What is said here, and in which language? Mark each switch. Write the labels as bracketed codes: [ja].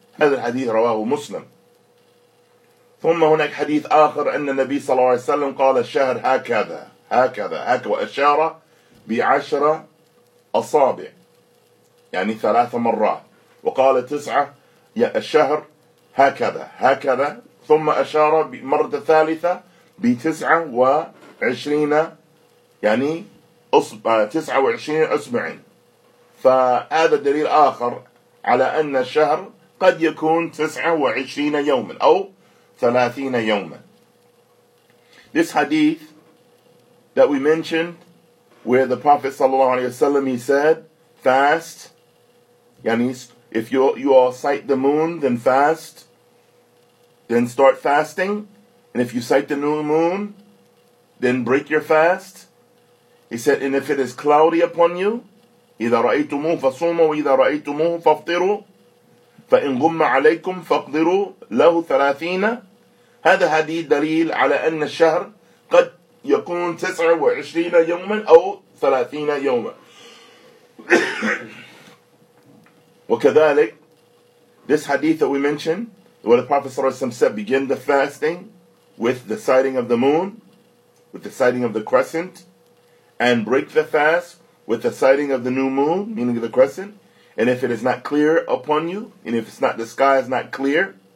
[ar] هذا الحديث رواه مسلم. ثم هناك حديث آخر أن النبي صلى الله عليه وسلم قال الشهر هكذا هكذا هكذا, وأشار بعشرة أصابع يعني ثلاث مرات, وقال تسعة يا الشهر هكذا هكذا, ثم أشار بمرة ثالثة بتسعة وعشرين يعني أصبع, 29 أصبع. فهذا دليل آخر على أن الشهر قد يكون 29 يوما أو 30 يوما. [en] This hadith that we mentioned where the Prophet صلى الله عليه وسلم he said fast, يعني if you all sight the moon, then fast, then start fasting, and if you sight the new moon, then break your fast. He said, and if it is cloudy upon you, [ar] إِذَا رَأَيْتُمُوهُ فَصُومُوا وَإِذَا رَأَيْتُمُوهُ فَافْطِرُوا فَإِنْ غُمَّ عَلَيْكُمْ فَاقْدِرُوا لَهُ ثَلَاثِينَ. هذا حديث دليل على أن الشهر قد يكون 29 يوما أو 30 يوما. [en] وكذلك, this hadith that we mentioned, where the Prophet صلى الله عليه وسلم said, begin the fasting with the sighting of the moon, with the sighting of the crescent, and break the fast with the sighting of the new moon, meaning the crescent, and if it is not clear upon you, and if it's not, the sky is not clear,